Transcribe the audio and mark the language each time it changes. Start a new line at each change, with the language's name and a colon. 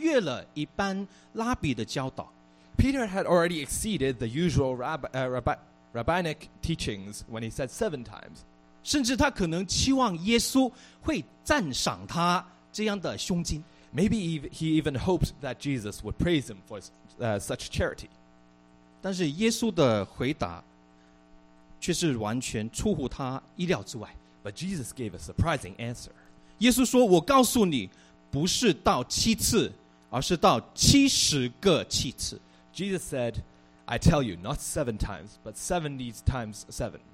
Chinese: 所以彼得说七次已经超越了一般拉比的教导。
English: Peter had already exceeded the usual rabbinic teachings when he said 7 times.
Chinese: 甚至他可能期望耶稣会赞赏他这样的胸襟。
English: Maybe he even hoped that Jesus would praise him for such charity.
Chinese: 但是耶稣的回答却是完全出乎他意料之外。
English: But Jesus gave a surprising answer.
Chinese: 耶稣说，我告诉你，不是到七次，而是到70个七次。
English: Jesus said, I tell you, not 7 times, but 70 times 7.